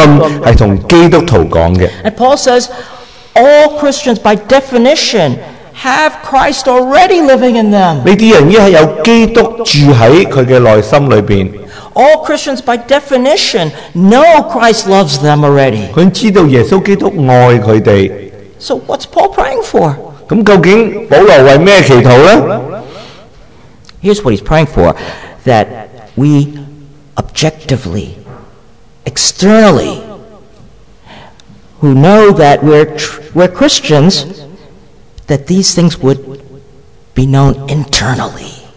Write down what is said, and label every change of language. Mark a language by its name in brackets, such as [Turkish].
[Chinese] 我想你会记得就是说,这封信是跟基督徒讲的。 [English] And Paul says, all Christians by definition have Christ already living in them. [Chinese] 这些人已经有基督住在他的内心里面。 [English] All Christians, by definition, know Christ loves them already. [Chinese] 他们知道耶稣基督爱他们。 [English] So what's Paul praying for? [Chinese] 那究竟保罗为什么祈祷呢? [English] Here's what he's praying for, that we objectively, externally, who know that we're Christians, that these things would be known internally.